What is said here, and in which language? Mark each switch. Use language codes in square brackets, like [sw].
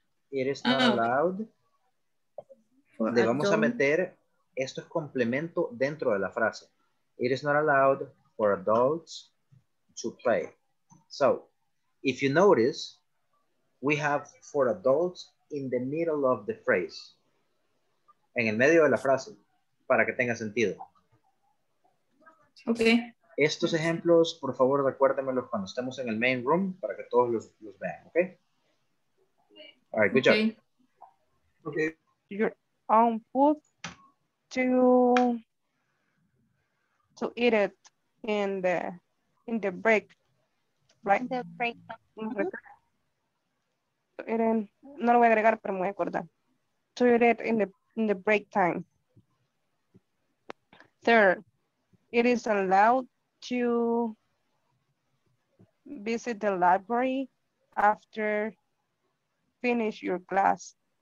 [en] It is not allowed. [es] Le vamos a meter, esto es complemento dentro de la frase. [en] It is not allowed for adults to play. So, if you notice, we have for adults in the middle of the phrase. [es] En el medio de la frase, para que tenga sentido. [en] Okay. [es] Estos ejemplos, por favor, recuérdemelos cuando estemos en el main room para que todos los vean, okay? [en] All right, good job. Okay. You're on food to eat it in the break, right? In the break. [es] No lo voy a agregar, pero me voy a acordar. [en] To eat it in the break time. Third, it is allowed to visit the library after finish your class.